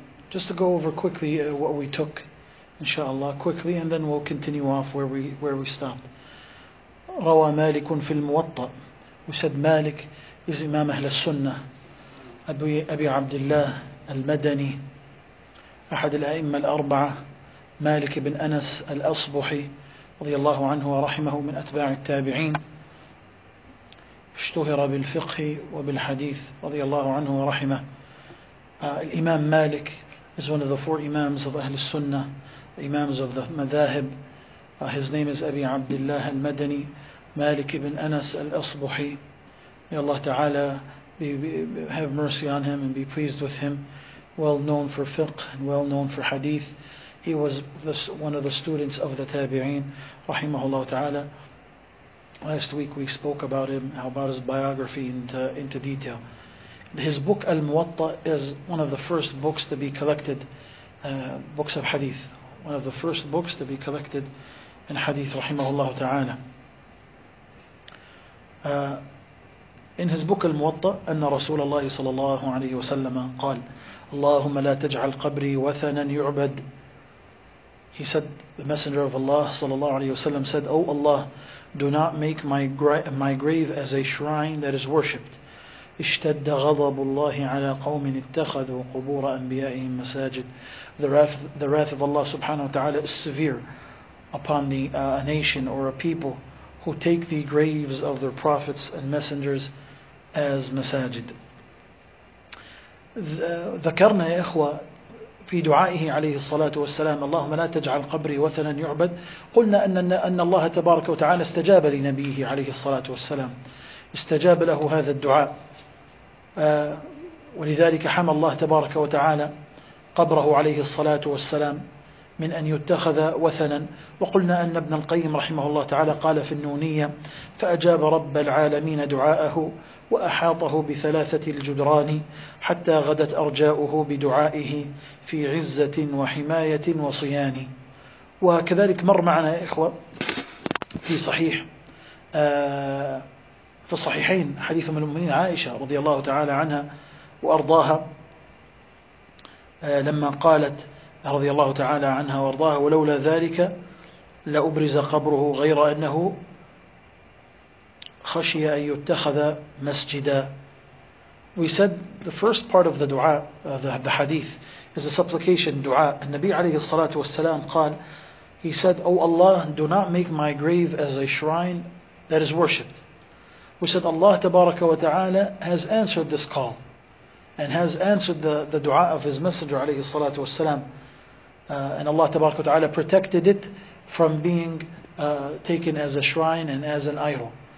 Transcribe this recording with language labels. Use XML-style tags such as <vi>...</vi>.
<en>Just to go over quickly what we took, inshallah, quickly, and then we'll continue off where we stopped.</en> <ar>روى مالك في الموطأ.</ar> <en>We said</en> <ar>مالك</ar> <en>is Imam</en> <ar>أهل السنة. أبي عبد الله المدني أحد الأئمة الأربعة. مالك بن أنس الأصبحي رضي الله عنه ورحمه من أتباع التابعين، اشتهر بالفقه وبالحديث رضي الله عنه ورحمه.</ar> <en>الإمام مالك is one of the four imams of أهل السنة, the imams of the مذاهب. His name is أبي عبد الله المدني. مالك بن أنس الأصبحي, may Allah Ta'ala have mercy on him and be pleased with him, well known for fiqh and well known for hadith. He was one of the students of the Tabi'een, rahimahullah ta'ala. Last week we spoke about him, about his biography into detail. His book Al-Muwatta is one of the first books to be collected, books of hadith. One of the first books to be collected in hadith, rahimahullah ta'ala. In his book Al-Muwatta,</en> <ar>أن رسول الله صلى الله عليه وسلم قال, اللهم لا تجعل قبري وثنا يعبد.</ar> <en>He said, the Messenger of Allah sallallahu alayhi wasallam said, O Allah, do not make my grave as a shrine that is worshipped.</en> <ar>اشتد غضب الله على قوم اتخذوا قبور أنبيائهم مساجد.</ar> <en>The wrath of Allah subhanahu wa ta'ala is severe upon a nation or a people who take the graves of their prophets and messengers as masajid.</en> <ar>ذكرنا يا إخوة في دعائه عليه الصلاة والسلام, اللهم لا تجعل قبري وثنا يعبد, قلنا أن الله تبارك وتعالى استجاب لنبيه عليه الصلاة والسلام, استجاب له هذا الدعاء, ولذلك حمى الله تبارك وتعالى قبره عليه الصلاة والسلام من أن يتخذ وثنا. وقلنا أن ابن القيم رحمه الله تعالى قال في النونية, فأجاب رب العالمين دعاءه وأحاطه بثلاثة الجدران حتى غدت أرجاؤه بدعائه في عزة وحماية وصيان. وكذلك مر معنا يا إخوة في صحيح, في الصحيحين, حديث أم المؤمنين عائشة رضي الله تعالى عنها وأرضاها, لما قالت رضي الله تعالى عنها وارضاها, ولولا ذلك لأبرز قبره غير أنه خشي أن يتخذ مسجدا.</ar> <en>We said the first part of the dua, the hadith, is a supplication dua.</en> <ar>النبي عليه الصلاة والسلام قال,</ar> <en>he said, O Allah, do not make my grave as a shrine that is worshipped. We said Allah tabaraka wa ta'ala has answered this call and has answered the dua of his messenger alayhi salatu wa salam, and Allah tabaraka wa ta'ala protected it from being taken as a shrine and as an idol.</en>